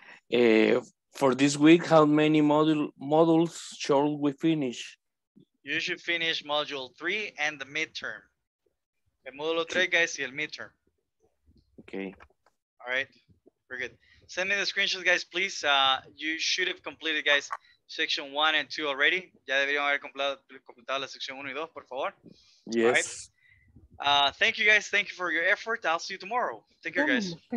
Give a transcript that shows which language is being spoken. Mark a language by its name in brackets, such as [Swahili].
[English] For this week, how many modules should we finish? You should finish module 3 and the midterm. [Spanish] El módulo 3, guys, y el midterm. [English] Okay. All right. Very good. Send me the screenshots, guys, please. You should have completed, guys, section 1 and 2 already. [Spanish] Ya deberían haber completado la sección 1 y 2, por favor. [English] Yes. All right. Thank you, guys. Thank you for your effort. I'll see you tomorrow. Take care, guys.